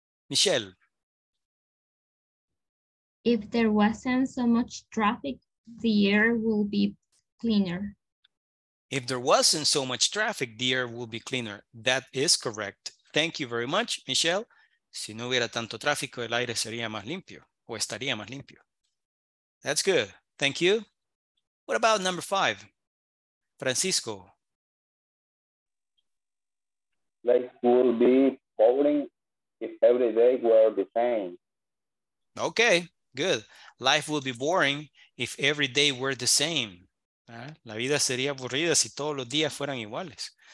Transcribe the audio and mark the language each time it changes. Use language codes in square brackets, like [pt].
[en] Michelle. If there wasn't so much traffic, the air will be cleaner. If there wasn't so much traffic, the air will be cleaner. That is correct. Thank you very much, Michelle. [es] Si no hubiera tanto tráfico, el aire sería más limpio o estaría más limpio. [en] That's good. Thank you. What about number five? Francisco. Life would be boring if every day were the same. Okay, good. Life would be boring if every day were the same. [es] La vida sería aburrida si todos los días fueran iguales.